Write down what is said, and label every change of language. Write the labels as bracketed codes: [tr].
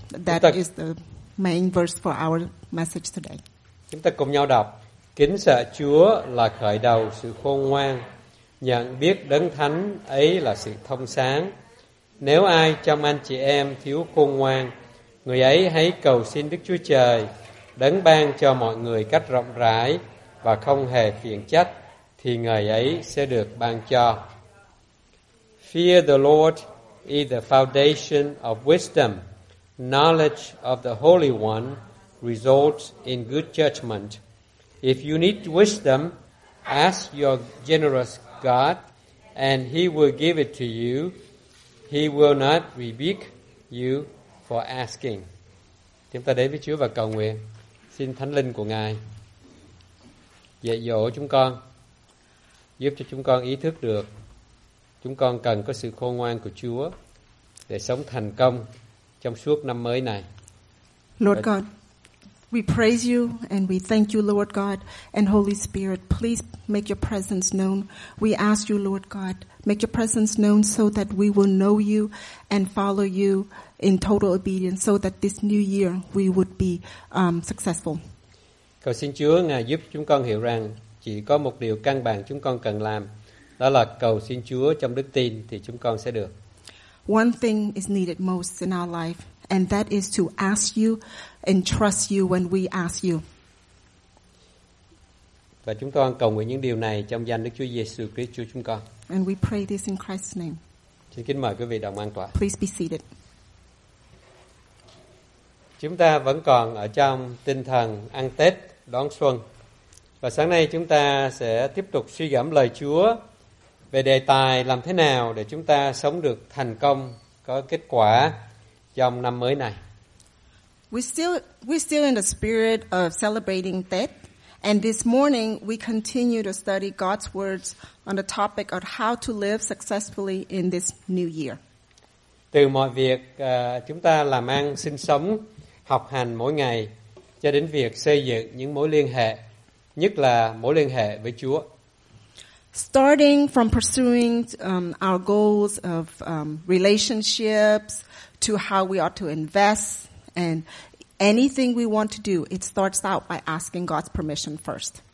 [en] That is the main verse for our message today. [vi] Chúng ta cùng nhau đọc. Kính sợ Chúa là khởi đầu sự khôn ngoan. Nhận biết Đấng Thánh ấy là sự thông sáng. Nếu ai trong anh chị em thiếu khôn ngoan, người ấy hãy cầu xin Đức Chúa Trời, Đấng ban cho mọi người cách rộng rãi và không hề khiển trách, thì người ấy sẽ được ban cho. [en] Fear the Lord is the foundation of wisdom. Knowledge of the Holy One results in good judgment. If you need wisdom, ask your generous God, and He will give it to you. He will not rebuke you for asking. [vi] Chúng ta đến với Chúa và cầu nguyện. Xin Thánh Linh của Ngài dạy dỗ chúng con, giúp cho chúng con ý thức được chúng con cần có sự khôn ngoan của Chúa để sống thành công trong suốt năm mới này. [en] Lord God, we praise you and we thank you, Lord God and Holy Spirit. Please make your presence known. We ask you, Lord God, make your presence known so that we will know you and follow you in total obedience so that this new year we would be successful. [vi] Cầu xin Chúa Ngài giúp chúng con hiểu rằng chỉ có một điều căn bản chúng con cần làm, đó là cầu xin Chúa trong đức tin thì chúng con sẽ được. [en] One thing is needed most in our life, and that is to ask you and trust you when we ask you. [vi] Và chúng con cầu nguyện những điều này trong danh Đức Chúa Giêsu Christ Chúa chúng con. [en] And we pray this in Christ's name. [vi] Xin kính mời quý vị đồng an tọa. [en] Please be seated. [vi] Chúng ta vẫn còn ở trong tinh thần ăn Tết đón xuân. Và sáng nay chúng ta sẽ tiếp tục suy gẫm lời Chúa về đề tài làm thế nào để chúng ta sống được thành công, có kết quả trong năm mới này. [en] We're still in the spirit of celebrating Tết, and this morning we continue to study God's words on the topic of how to live successfully in this new year. [vi] Từ mọi việc chúng ta làm ăn, sinh sống, học hành mỗi ngày cho đến việc xây dựng những mối liên hệ, nhất là mối liên hệ với Chúa. [en] Starting from pursuing our goals of relationships to how we ought to invest and anything we want to do, it starts out by asking God's permission first.